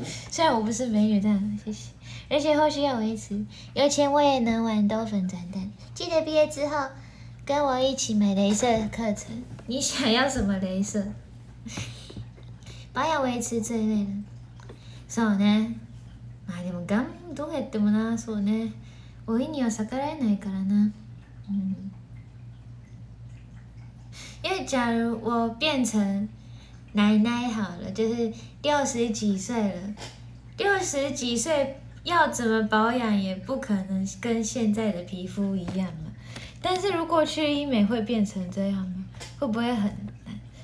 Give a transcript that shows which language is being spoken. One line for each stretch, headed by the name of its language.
Chinese: 虽然我不是美女，但谢谢。而且后续要维持，有钱我也能玩兜粉转蛋。记得毕业之后。跟我一起买雷射课程，你想要什么雷射？保养维持这一类的，
Japanese: そうね。まあでも我慢どうやってもな、そうね。老いには逆らえないからな。嗯。
Chinese: 因为假如我变成奶奶好了，就是60几岁了，60几岁要怎么保养也不可能跟现在的皮肤一样嘛。但是如果去医美会变成这样吗？会不会很难？